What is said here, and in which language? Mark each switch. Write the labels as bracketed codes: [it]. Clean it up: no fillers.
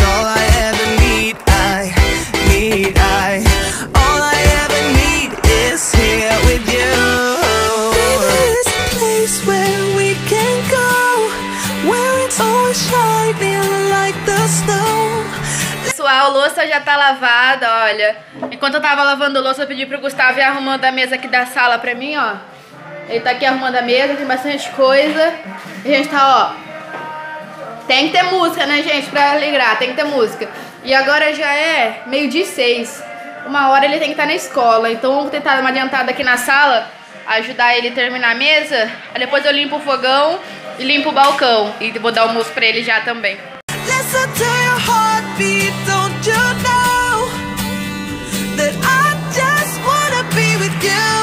[en] All I ever need, I need. All I ever need is here with you. This place where we can go, where it's all shining like the snow. [pt] Pessoal, a louça já tá lavada, olha. Enquanto eu tava lavando louça, eu pedi pro Gustavo ir arrumando a mesa aqui da sala pra mim, ó. Ele tá aqui arrumando a mesa, tem bastante coisa. A gente tá, ó. Tem que ter música, né, gente, pra alegrar. Tem que ter música. E agora já é 6:30. Uma hora ele tem que estar na escola. Então vamos tentar dar uma adiantada aqui na sala, ajudar ele a terminar a mesa. Aí depois eu limpo o fogão e limpo o balcão. E vou dar almoço pra ele já também. [en] Listen to your heartbeat. Don't you know that I just wanna be with you?